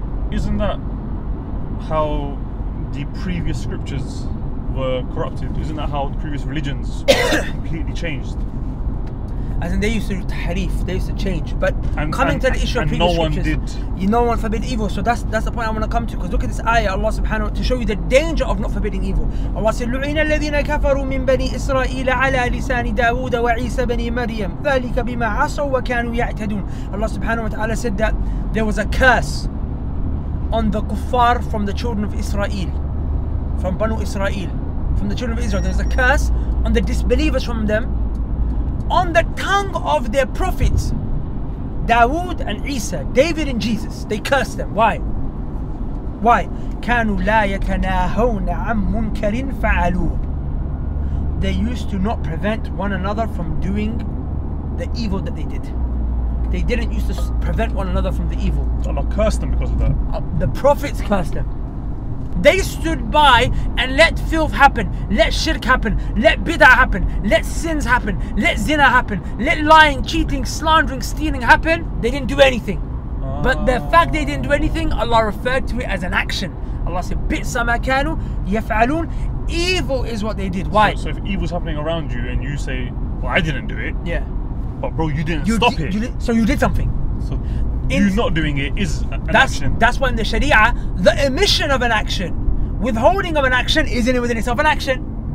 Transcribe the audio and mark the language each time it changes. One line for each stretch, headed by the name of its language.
English: Isn't that how the previous scriptures were corrupted? Isn't that how the previous religions completely changed? As in, they used to do tahrif, they used to change. But coming to the issue of previous scriptures, no one forbid evil. So that's the point I want to come to. Because look at this ayah, Allah subhanahu wa ta'ala, to show you the danger of not forbidding evil. Allah said,
Arabic: لُعِنَ الَّذِينَ كَفَرُوا مِنْ بَنِي إِسْرَائِيلَ عَلَى لِسَانِ دَاوُودَ وَعِيسَ بَنِي مَرْيَمْ ذَلِكَ بِمَا عَصَوْا وَكَانُوا يَعْتَدُونَ.
English: Allah subhanahu wa ta'ala said that there was a curse on the kuffar from the children of Israel, from Banu Israel, from the children of Israel. There was a curse on the disbelievers from them, on the tongue of their prophets, Dawood and Isa, David and Jesus. They cursed them. Why?
Arabic: كانوا لا يتناهون عن منكر فعلوا.
English: They used to not prevent one another from doing the evil that they did. They didn't used to prevent one another from the evil. Allah cursed them because of that. The prophets cursed them. They stood by and let filth happen, let shirk happen, let bid'ah happen, let sins happen, let zina happen, let lying, cheating, slandering, stealing happen. They didn't do anything. But the fact they didn't do anything, Allah referred to it as an action. Allah said,
Arabic: بِئْسَ مَا كَانُوا يَفْعَلُونَ.
English: Evil is what they did. Why? So if evil's happening around you and you say, well, I didn't do it. Yeah. But bro, you didn't stop it. You did something. So. You not doing it is an action. That's when the Sharia, the omission of an action, withholding of an action, isn't within itself an action.